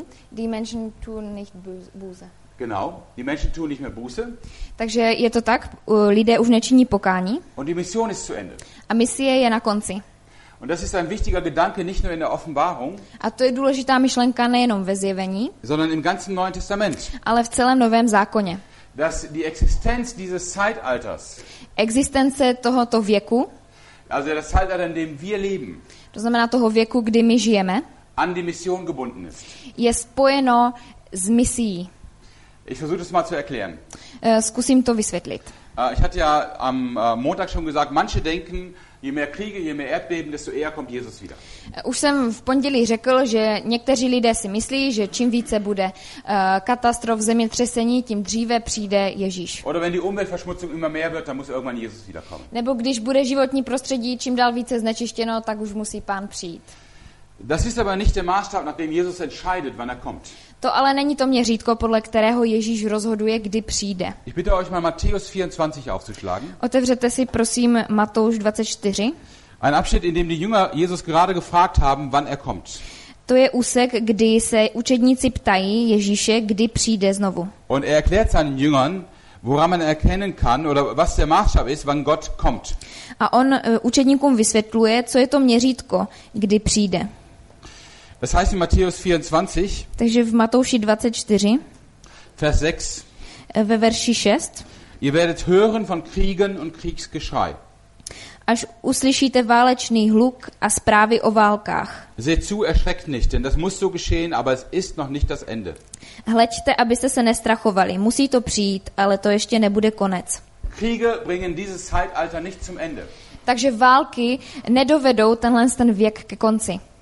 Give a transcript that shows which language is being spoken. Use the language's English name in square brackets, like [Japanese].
[German] Die Menschen tun nicht Buße. Genau, die Menschen tun nicht mehr Buße. [Czech] Takže je to tak, lidé už nečiní pokání. [German] Und die Mission ist zu Ende. [Czech] A misie je na konci. [German] Und das ist ein wichtiger Gedanke nicht nur in der Offenbarung. [Czech] A to je důležitá myšlenka nejenom ve Zjevení. [German] Sondern im ganzen Neuen Testament. [Czech] Ale v celém Novém zákoně. [German] Dass die Existenz dieses Zeitalters. [Czech] Existence tohoto věku. [German] Also das Zeitalter, in dem wir leben. [Czech] To znamená toho věku, kdy my žijeme. [German] An die Mission gebunden ist. [Czech] Je spojeno s misií. [German] Ich versuche das mal zu erklären. [Czech] Zkusím to vysvětlit. [German] Ich hatte ja am Montag schon gesagt, manche denken, je mehr Kriege, je mehr Erdbeben, desto eher kommt Jesus wieder. [Czech] Už jsem v pondělí řekl, že někteří lidé si myslí, že čím více bude katastrof, zemětřesení, tím dříve přijde Ježíš. [German] Oder wenn die Umweltverschmutzung immer mehr wird, dann muss irgendwann Jesus wiederkommen. [Czech] Nebo když bude životní prostředí čím dál více znečištěno, tak už musí Pán přijít. [German] Das ist aber nicht der Maßstab, nach dem Jesus entscheidet, wann er kommt. [Czech] To ale není to měřítko, podle kterého Ježíš rozhoduje, kdy přijde. [German] Ich bitte euch mal Matthäus 24 aufzuschlagen. [Czech] Otevřete si prosím Matouš 24. [German] Ein Abschnitt, in dem die Jünger Jesus gerade gefragt haben, wann er kommt. [Czech] To je úsek, kdy se učedníci ptají Ježíše, kdy přijde znovu. [German] Und er erklärt seinen Jüngern, woran man erkennen kann oder was der Maßstab ist, wann Gott kommt. [Czech] A on učedníkům vysvětluje, co je to měřítko, kdy přijde. [German] Das heißt in Matthäus 24. [Czech] Takže v Matouši 24. [German] Vers 6. [Czech] Ve verši 6. [German] Ihr werdet hören von Kriegen und Kriegsgeschrei. [Czech] Až uslyšíte válečný hluk a zprávy o válkách. [German] Seht zu, erschreckt nicht, denn das muss so geschehen, aber es ist noch nicht das Ende. [Czech] Hleďte, abyste se nestrachovali. Musí to přijít, ale to ještě nebude konec. [German] Kriege bringen dieses Zeitalter nicht zum Ende. [Czech] Takže války nedovedou tenhle ten věk ke konci.